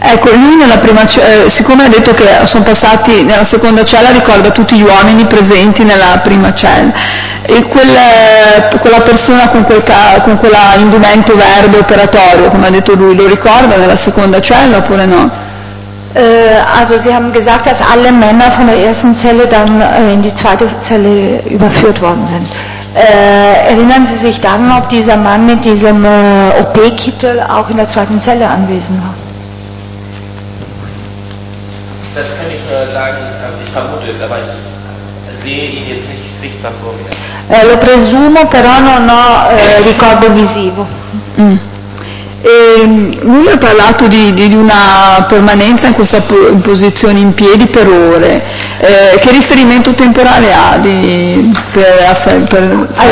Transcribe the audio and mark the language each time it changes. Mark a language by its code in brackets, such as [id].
[it] Ecco, lui nella prima, siccome ha detto che sono passati nella seconda cella, ricorda tutti gli uomini presenti nella prima cella. E quella persona con quell'indumento verde operatorio, come ha detto lui, lo ricorda nella seconda cella oppure no? [de] Also sie haben gesagt, dass alle Männer von der ersten Zelle dann in die zweite Zelle überführt worden sind. Erinnern Sie sich daran, ob dieser Mann mit diesem OP-Kittel auch in der zweiten Zelle anwesend war? Das kann ich nur sagen, ich vermute es, aber ich sehe ihn jetzt nicht sichtbar vor mir. [it] Lo presumo, però non ho ricordo visivo. Mm. E lui ha parlato di una permanenza in questa posizione in piedi per ore. Che riferimento temporale ha per